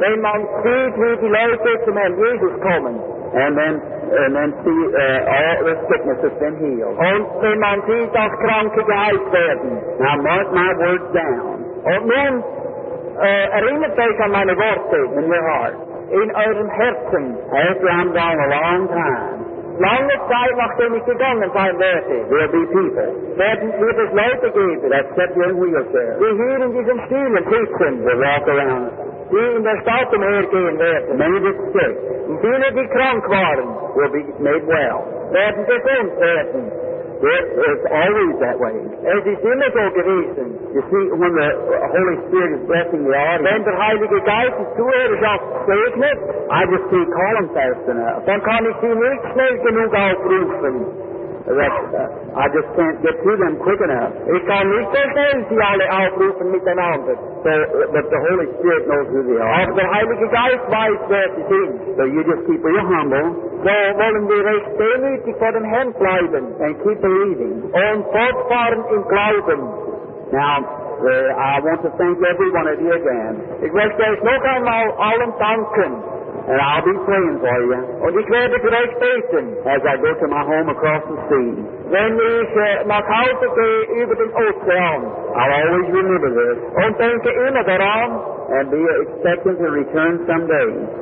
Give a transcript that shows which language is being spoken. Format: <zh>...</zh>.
<de>Wenn man sieht, wie die Leute zum Herrn Jesus kommen.</de> <en>And then see all the sickness has been healed.</en> <de>Und wenn man sieht, dass Kranke geheilt werden.</de> <en>Now mark my words down.</en> <de>Und nun erinnert euch an meine Worte.</de> <en>In your heart.</en> <de>In euren Herzen.</de> <en>After I'm gone a long time.</en> <de>Lange Zeit, nachdem ich gegangen sein werde,</de> <en>there'll be people.</en> <de>Werden wird es Leute geben,</de> <en>that sit in wheelchairs.</en> <de>Die hier in diesem Stuhl sitzen.</de> <en>They walk around.</en> <de>Die in der Stadt umhergehen werden.</de> <en>Many that sick.</en> <de>Und viele, die krank waren,</de> <en>will be made well.</en> <de>Werden gesund werden.</de> <en>It's always that way.</en> <de>Es ist immer so gewesen.</de> <en>You see, when the Holy Spirit is blessing the audience,</en> <de>wenn der Heilige Geist ist zuhörig auf Segnet,</de> <en>I just can't call him fast enough.</en> <de>Dann kann ich ihn nicht schnell genug aufrufen.</de> <en>I just can't get to them quick enough.</en> <de>Ich kann nicht so schnell sie alle aufrufen miteinander.</de> <en>But the Holy Spirit knows who they are.</en> <de>Aber der Heilige Geist weiß, wer sie sind.</de> <en>So you just keep real humble.</en> <de>So wollen wir recht demütig vor dem Herrn bleiben.</de> <en>And keep believing.</en> <de>Und fortfahren im Glauben.</de> <en>Now, I want to thank every one of you again.</en> <de>Ich möchte euch noch einmal allen danken.</de> <en>And I'll be praying for you.</en> <de>Und ich werde für euch beten.</de> <en>As I go to my home across the sea.</en> <de>Wenn ich nach Hause gehe über den Ozean.</de> <en>I'll always remember this.</en> <de>Und denke immer daran.</de> <en>And be expecting to return someday.</en>